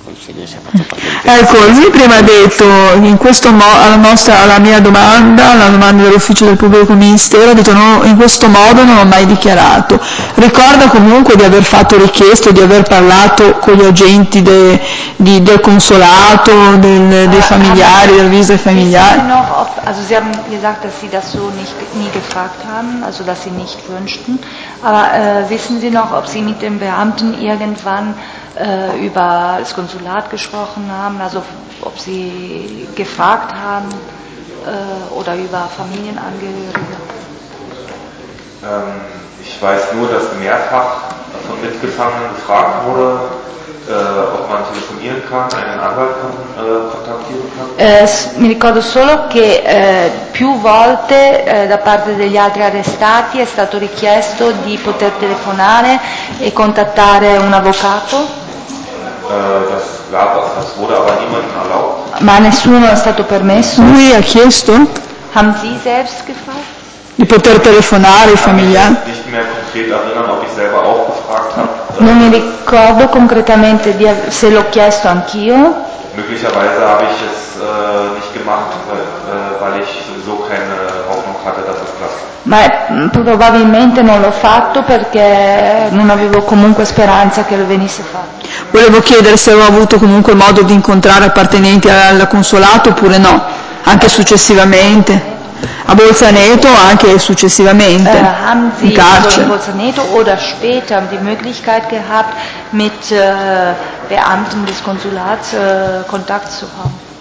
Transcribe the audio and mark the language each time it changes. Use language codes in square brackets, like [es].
[it] Ecco, lui prima ha detto in questo modo alla domanda dell'ufficio del pubblico ministero, ha detto no, in questo modo non ho mai dichiarato. Ricorda comunque di aver fatto richiesto, di aver parlato con gli agenti del consolato, dei familiari, del viso dei familiari. [de] Also sie haben gesagt, dass sie das so nicht nie gefragt haben, also dass sie nicht wünschten, aber wissen Sie noch, ob sie mit dem Beamten irgendwann über das Konsulat gesprochen haben, also ob sie gefragt haben oder über Familienangehörige? Ich weiß nur, dass mehrfach von Mitgefangenen gefragt wurde, ob man telefonieren kann, einen Anwalt kontaktieren kann. [it] Mi ricordo solo che più volte da parte degli altri arrestati è stato richiesto di poter telefonare e contattare un avvocato. [de] Das wurde aber niemandem erlaubt. [it] Ma nessuno è stato permesso? Lui ha chiesto? [de] Haben Sie selbst gefragt? [it] Di poter telefonare i familiari? [de] Nicht mehr konkret erinnern, ob ich selber auch gefragt habe. [it] Non mi ricordo concretamente se l'ho chiesto anch'io. [de] Möglicherweise habe ich es nicht gemacht, weil ich sowieso keine Hoffnung hatte, dass es klappt. [it] Ma probabilmente non l'ho fatto perché non avevo comunque speranza che lo venisse fatto. Volevo chiedere se avevo avuto comunque modo di incontrare appartenenti al consolato oppure no, anche successivamente. A Bolzaneto anche successivamente. [de] Haben Sie [it] in carcere. [de] Also in Bolzaneto oder später die Möglichkeit gehabt, mit Beamten des Konsulats Kontakt zu haben?